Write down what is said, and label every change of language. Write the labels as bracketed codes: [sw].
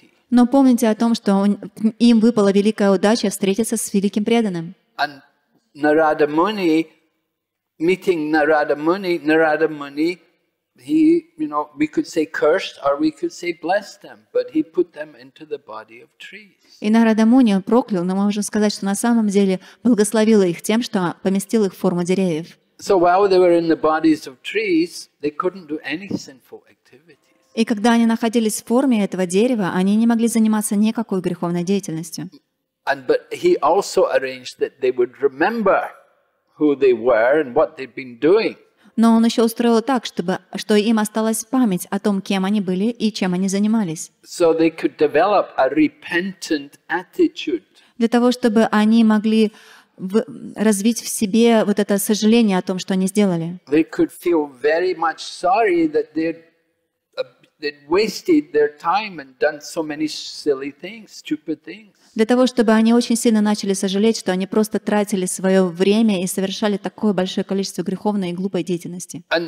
[ru] Но помните о том, что им выпала великая удача встретиться с великим преданным. [en] And Narada Muni, meeting Narada Muni, Narada Muni, he, you know, we could say cursed or we could say blessed them, but he put them into the body of trees. [ru] И Нарада Муни проклял, но мы можем сказать, что на самом деле благословил их тем, что поместил их в форму деревьев. [en] So while they were in the bodies of trees, they couldn't do any sinful activity. [ru] И когда они находились в форме этого дерева, они не могли заниматься никакой греховной деятельностью. [en] And, but he also arranged that they would remember who they were and what they'd been doing. [ru] Но он еще устроил так, чтобы, что им осталась память о том, кем они были и чем они занимались. [en] So they could develop a repentant attitude. [ru] Для того, чтобы они могли развить в себе вот это сожаление о том, что они сделали. [en] They could feel very much sorry that they'd wasted their time and done so many silly things, stupid things. [ru] Для того, чтобы они очень сильно начали сожалеть, что они просто тратили свое время и совершали такое большое количество греховной и глупой деятельности.